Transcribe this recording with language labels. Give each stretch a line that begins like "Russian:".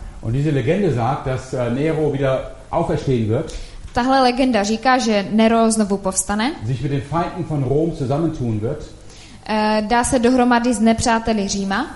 German: Und diese Legende sagt, dass Nero wieder auferstehen wird.
Czech: Tahle legenda říká, že Nero znovu povstane.
German: Sich mit den Feinden von Rom zusammentun wird.
Czech: Dá se dohromady s nepřáteli Říma.